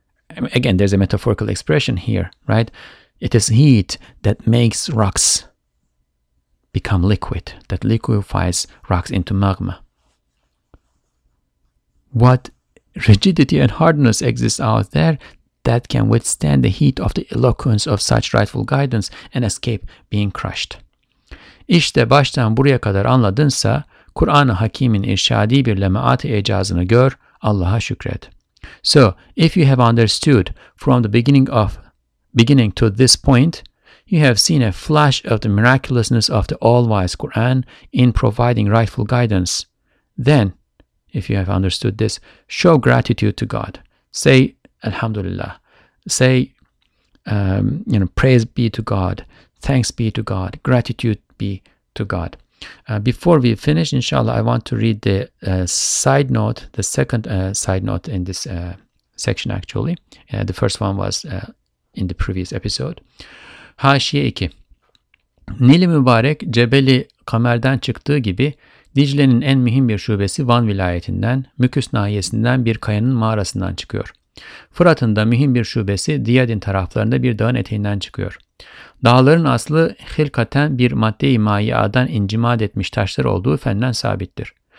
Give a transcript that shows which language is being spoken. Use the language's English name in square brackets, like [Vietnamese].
[English] Again, there's a metaphorical expression here, right? It is heat that makes rocks become liquid, that liquefies rocks into magma. What rigidity and hardness exists out there that can withstand the heat of the eloquence of such rightful guidance and escape being crushed. [Turkish] İşte baştan buraya kadar anladınsa, Kur'an-ı Hakim'in irşadi bir lemaat-ı ecazını gör, Allah'a şükret. [English] So, if you have understood from the beginning to this point, you have seen a flash of the miraculousness of the all-wise Quran in providing rightful guidance. Then, if you have understood this, show gratitude to God. Say, Alhamdulillah. Say, praise be to God. Thanks be to God. Gratitude be to God. Before we finish, inshallah, I want to read the side note, the second side note in this section, actually. The first one was in the previous episode. [Turkish] Haşiye 2. Nil-i Mübarek, Cebeli Kamer'den çıktığı gibi, Dicle'nin en mühim bir şubesi Van vilayetinden, Müküs nahiyesinden bir kayanın mağarasından çıkıyor. Fırat'ın da mühim bir şubesi Diyadin taraflarında bir dağın eteğinden çıkıyor. Dağların aslı hilkaten bir madde-i maiyadan incimad etmiş taşlar olduğu fenden sabittir.